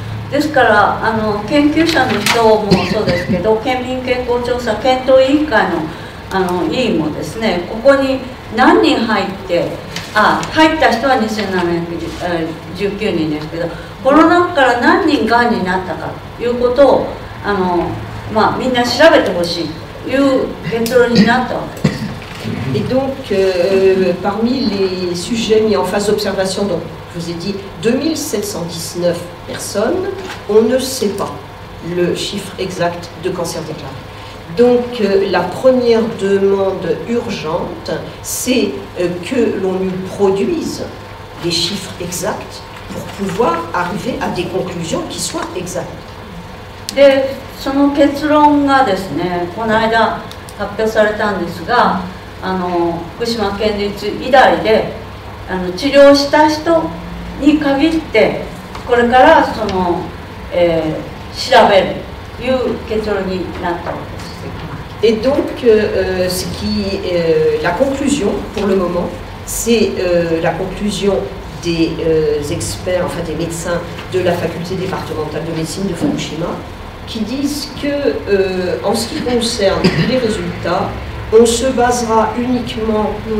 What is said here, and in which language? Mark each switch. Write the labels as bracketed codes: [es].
[ja] ですから、あの研究者の人もそうですけど、県民健康調査検討委員会の、あの委員もですね、ここに何人入って、あ、入った人は2719人ですけど、この中から何人がんになったかということを、あの、まあ、みんな調べてほしいという結論になったわけです。 [fr] Et donc, parmi les sujets mis en phase d'observation, donc je vous ai dit 2719 personnes, on ne sait pas le chiffre exact de cancer déclaré. Donc, la première demande urgente, c'est que l'on nous produise des chiffres exacts pour pouvoir arriver à des conclusions qui soient exactes. [ja] Et その結論がですね、この間発表されたんですが、あの福島県立医大であの治療した人に限ってこれからその、調べるという結論になったわけです。 [fr] Et donc, ce qui la conclusion pour le moment, c'est la conclusion des experts, enfin des médecins de la faculté départementale de médecine de Fukushima, qui disent que en ce qui concerne les résultats, on se basera uniquement...